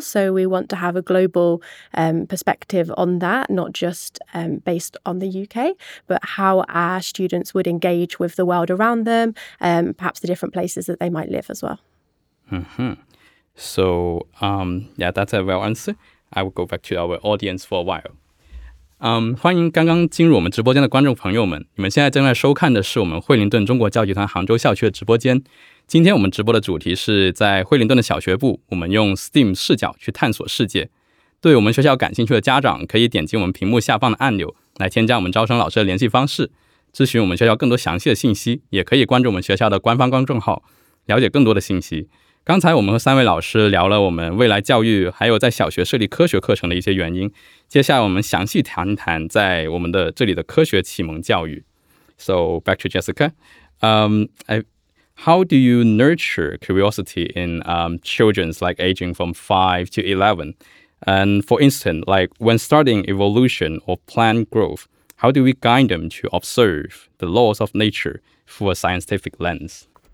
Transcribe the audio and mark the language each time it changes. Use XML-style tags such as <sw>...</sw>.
<en>So we want to have a global perspective on that, not just based on the UK, but how our students would engage with the world around them, perhaps the different places that they might live as well. Mm-hmm. So, yeah, that's a real answer. I will go back to our audience for a while.</en> <zh>欢迎刚刚进入我们直播间的观众朋友们。你们现在正在收看的是我们汇林顿中国教集团杭州校区的直播间。今天我们直播的主题是在汇林顿的小学部，我们用 STEAM 视角去探索世界。对我们学校感兴趣的家长，可以点击我们屏幕下方的按钮来添加我们招生老师的联系方式，咨询我们学校更多详细的信息，也可以关注我们学校的官方公众号，了解更多的信息。刚才我们和三位老师聊了我们未来教育还有在小学设立科学课程的一些原因，接下来我们详细谈一谈在我们的这里的科学启蒙教育。</zh> <en>So back to Jessica, how do you nurture curiosity in children's like aging from 5 to 11? And for instance, like when starting evolution or plant growth, how do we guide them to observe the laws of nature through a scientific lens?</en>